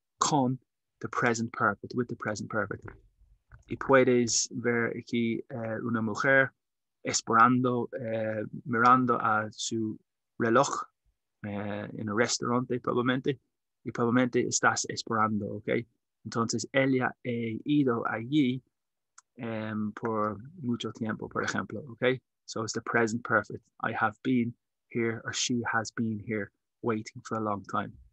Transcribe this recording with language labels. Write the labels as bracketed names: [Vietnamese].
[English] Con the present perfect, with the present perfect. [Spanish] Y puedes ver aquí una mujer esperando, mirando a su reloj en un restaurante probablemente. Y probablemente estás esperando, okay? Entonces, ella ha ido allí por mucho tiempo, por ejemplo, okay? [English] So it's the present perfect. I have been here or she has been here waiting for a long time.